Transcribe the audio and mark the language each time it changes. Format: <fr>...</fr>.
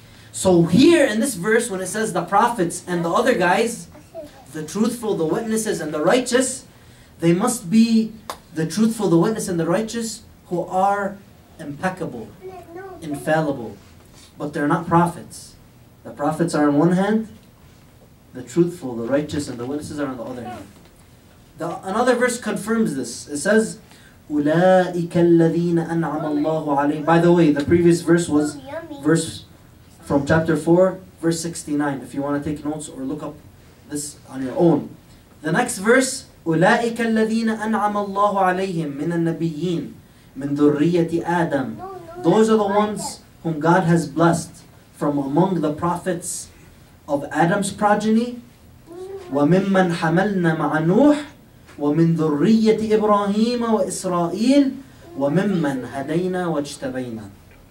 <en>So here in this verse, when it says the prophets and the other guys, the truthful, the witnesses, and the righteous, they must be the truthful, the witness, and the righteous who are impeccable, infallible. But they're not prophets. The prophets are on one hand, the truthful, the righteous, and the witnesses are on the other hand. Another verse confirms this. It says,</en> <ar>أُولَٰئِكَ الَّذِينَ أَنْعَمَ اللَّهُ عَلَيْهِمْ.</ar> <en>By the way, the previous verse was verse from chapter 4, verse 69. If you want to take notes or look up this on your own. The next verse,</en> <ar>أُولَٰئِكَ الَّذِينَ أَنْعَمَ اللَّهُ عَلَيْهِمْ مِنَ النَّبِيِّينَ مِنْ ذُرِّيَّةِ آدَمْ.</ar> <en>Those are the ones whom God has blessed from among the prophets of Adam's progeny,</en> <ar>وَمِمَّنْ حَمَلْنَا مَعَ نُوحٍ وَمِنْ ذُرِّيَّةِ إِبْرَاهِيمَ وَإِسْرَائِيلَ وَمِمَّنْ هَدَيْنَا وَاجْتَبَيْنَا.</ar>